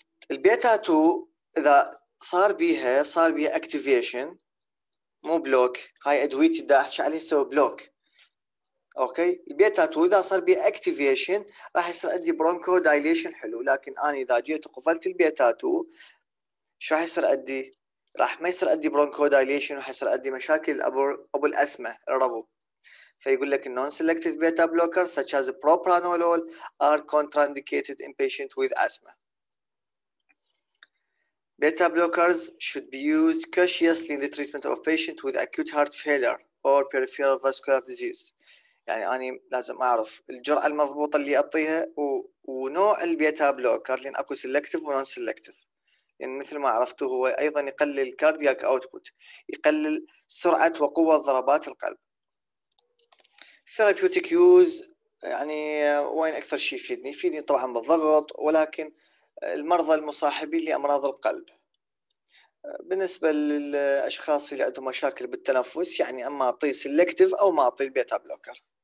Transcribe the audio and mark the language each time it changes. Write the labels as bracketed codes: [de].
[ar] البيتا 2 إذا صار بيها activation مو بلوك، هاي أدويتي بدي أحكي عليها سو بلوك. أوكي، البيتا 2 إذا صار بيها activation راح يصير عندي برونكو دايليشن حلو، لكن أنا إذا جيت وقفلت البيتا 2 شو راح يصير أدي؟ راح ما يصير أدي برونكو دايليشن، وراح يصير أدي مشاكل أبو الأسمة الربو. فيقول لك النون سيلكتيف بيتا بلوكر [en] such as propranolol are contraindicated in patients with asthma. Beta blockers should be used cautiously in the treatment of patients with acute heart failure or peripheral vascular disease. [ar] يعني أنا لازم أعرف الجرعة المضبوطة اللي أعطيها ونوع البيتا بلوكر، لأن أكو سيلكتيف ونون سيلكتيف. يعني مثل ما عرفته هو ايضا يقلل الكاردياك اوتبوت، يقلل سرعه وقوه ضربات القلب. ثيرابيوتيك يوز، يعني وين اكثر شيء يفيدني؟ يفيدني طبعا بالضغط، ولكن المرضى المصاحبين لامراض القلب، بالنسبه للاشخاص اللي عندهم مشاكل بالتنفس، يعني اما اعطيه سيلكتيف او ما اعطيه البيتا بلوكر.